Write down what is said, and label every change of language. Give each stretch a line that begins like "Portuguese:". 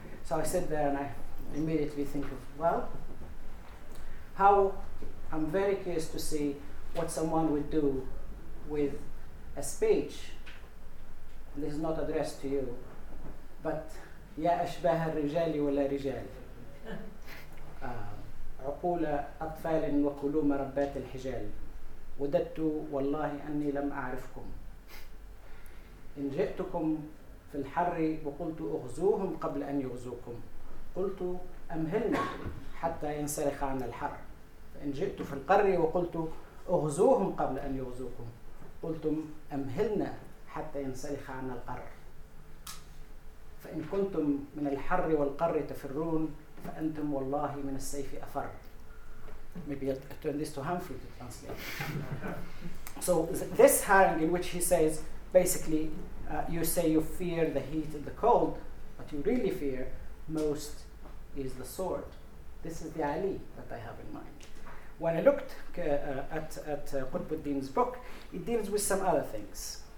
English: So I sit there and I immediately think of, well, how, I'm very curious to see what someone would do with a speech. And this is not addressed to you, but
Arabic: ya ashbah al-rijal wa la rijal. عقول أطفال وكلوم ربات الحجال وددت والله أني لم أعرفكم إن جئتكم في الحر وقلت أغزوهم قبل أن يغزوكم قلت أمهلنا حتى ينسلخ عن الحر فإن جئت في القر وقلت أغزوهم قبل أن يغزوكم قلتم أمهلنا حتى ينسلخ عن القر فإن كنتم من الحر والقر تفرون فأنتم والله من السيف أفر.
English: Maybe I'll turn this to Humphrey to translate. So this harangue in which he says, basically, you say you fear the heat and the cold, but you really fear most is the sword. This is the Ali that I have in mind. When I looked at Qutbuddin's book, it deals with some other things.